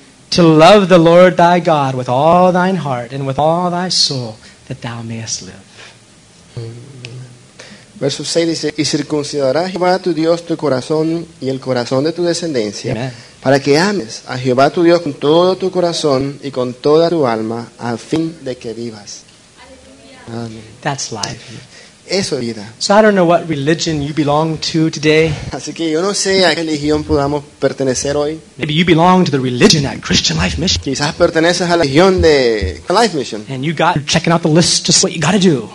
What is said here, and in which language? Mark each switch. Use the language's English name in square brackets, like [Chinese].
[English] To love the Lord thy God with all thine heart and with all thy soul that thou mayest live. [Spanish] Verso 6 dice, y circuncidará Jehová tu Dios tu corazón y el corazón de tu descendencia. Amen. Para que ames a Jehová tu Dios con todo tu corazón y con toda tu alma, a fin de que vivas. [English] Amen. That's life. [Spanish] Eso es vida. [English] So I don't know what religion you belong to today. [Spanish] Así que yo no sé a qué religión podamos pertenecer hoy. [English] Maybe you belong to the religion at Christian Life Mission. [Spanish] Quizás perteneces a la religión de Christian Life Mission. [English] And you got checking out the list just what you got to do.